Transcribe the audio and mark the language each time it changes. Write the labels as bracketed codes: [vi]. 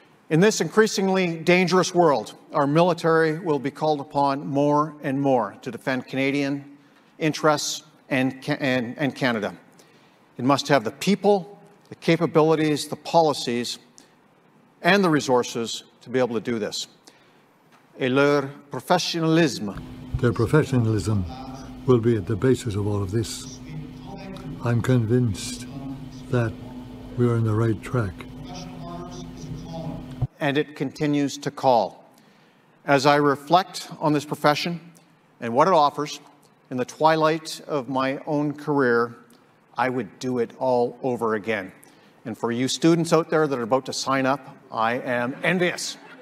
[en] In this increasingly dangerous world, our military will be called upon more and more to defend Canadian interests and Canada. It must have the people, the capabilities, the policies, and the resources to be able to do this. [fr] Et leur professionnalisme. [en] Their professionalism will be at the basis of all of this. I'm convinced that we are on the right track. And it continues to call. As I reflect on this profession and what it offers in the twilight of my own career, I would do it all over again. And for you students out there that are about to sign up, I am envious.